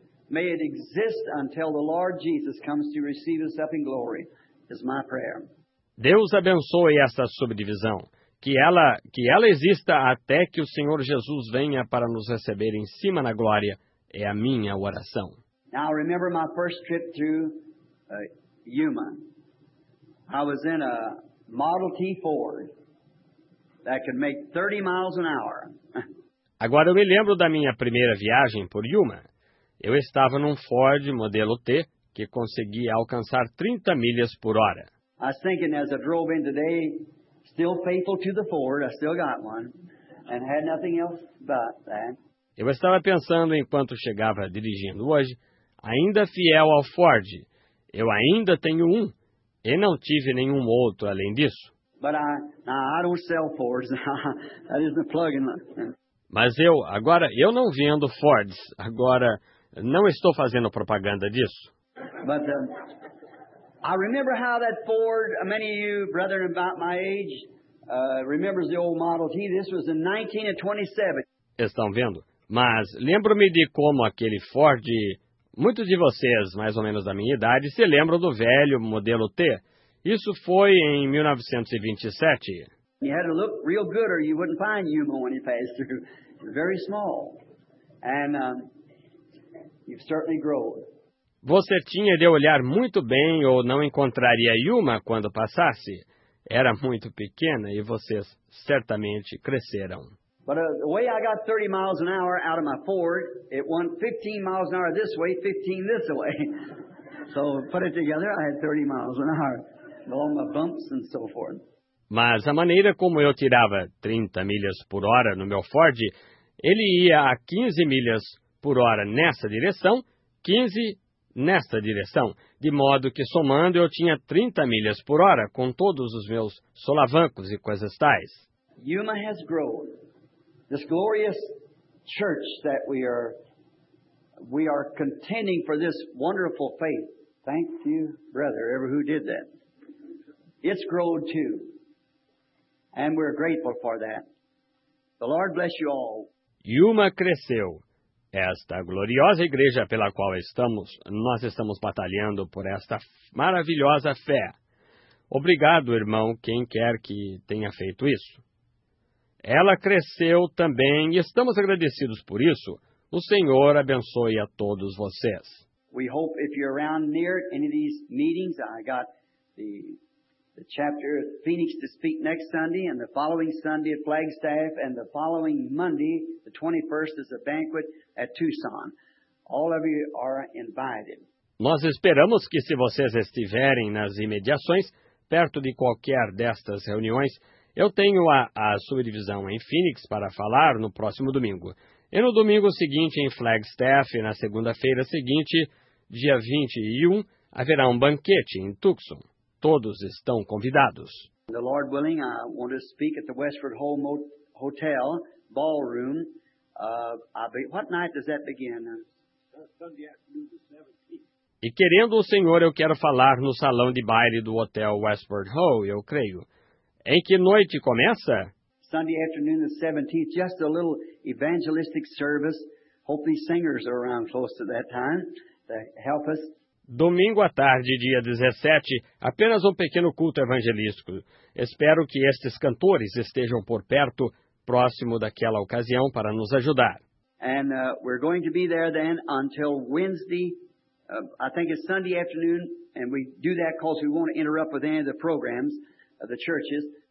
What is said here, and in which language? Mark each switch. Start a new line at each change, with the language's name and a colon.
English: May it exist until the Lord Jesus comes to receive us up in glory. Is my prayer.
Portuguese: Deus abençoe esta subdivisão. Que ela exista até que o Senhor Jesus venha para nos receber em cima na glória, é a minha oração.
English: Now, I remember my first trip to Yuma. I was in a Model T Ford that could make 30 miles an hour.
Portuguese: Agora eu me lembro da minha primeira viagem por Yuma. Eu estava num Ford modelo T que conseguia alcançar 30 milhas por hora.
English: I was thinking as I drove in today, still faithful to the Ford, I still got one, and had nothing else but that.
Portuguese: Eu estava pensando enquanto chegava dirigindo hoje, ainda fiel ao Ford, eu ainda tenho um, e não tive nenhum outro além disso.
English: But I don't sell Fords, that isn't plugging.
Portuguese: Mas eu não vendo Fords, agora não estou fazendo propaganda disso.
English: But, I remember how that Ford, many of you, brethren about my age, remembers the old Model T. This was in 1927.
Portuguese: Estão vendo? Mas lembro-me de como aquele Ford, muitos de vocês, mais ou menos da minha idade, se lembram do velho modelo T. Isso foi em 1927.
English: You had to look real good or you wouldn't find Yuma when you passed through. Very small. And you've certainly grown.
Portuguese: Você tinha de olhar muito bem ou não encontraria Yuma quando passasse. Era muito pequena e vocês certamente cresceram.
English: But the way I got 30 miles an hour out of my Ford, it went 15 miles an hour this way, 15 this way. So put it together, I had 30 miles an hour along my bumps and so forth.
Portuguese: Mas a maneira como eu tirava 30 milhas por hora no meu Ford, ele ia a 15 milhas por hora nessa direção, 15 nesta direção, de modo que somando eu tinha 30 milhas por hora com todos os meus solavancos e coisas tais.
English: Yuma has grown. This glorious church that we are contending for this wonderful faith. Thank you, brother, ever who did that. It's growed too. And we're grateful for that. The Lord bless you all.
Portuguese: E uma cresceu. Esta gloriosa igreja pela qual estamos, nós estamos batalhando por esta maravilhosa fé. Obrigado, irmão, quem quer que tenha feito isso. Ela cresceu também e estamos agradecidos por isso. O Senhor abençoe a todos vocês.
English: We hope if you're around near any of these meetings, I got the chapter of Phoenix to speak next Sunday, and the following Sunday at Flagstaff, and the following Monday, the 21st, is a banquet at Tucson. All of you are invited.
Portuguese: Nós esperamos que se vocês estiverem nas imediações, perto de qualquer destas reuniões, eu tenho a subdivisão em Phoenix para falar no próximo domingo. E no domingo seguinte, em Flagstaff, na segunda-feira seguinte, dia 21, haverá um banquete em Tucson. Todos estão convidados.
English: The Lord willing, I want to speak at the Westford Hole Hotel Ballroom. What night does that begin? Sunday afternoon, the 17th.
Portuguese: E querendo o Senhor, eu quero falar no salão de baile do Hotel Westford Hole, eu creio. Em que noite começa?
English: Sunday afternoon, the 17th, just a little evangelistic service. Hope these singers are around close to that time to help us.
Portuguese: Domingo à tarde, dia 17, apenas um pequeno culto evangelístico. Espero que estes cantores estejam por perto, próximo daquela ocasião, para nos ajudar.
English: And we're going to be there then until Wednesday, I think it's Sunday afternoon, and we do that because we won't interrupt with any of the programs of the churches.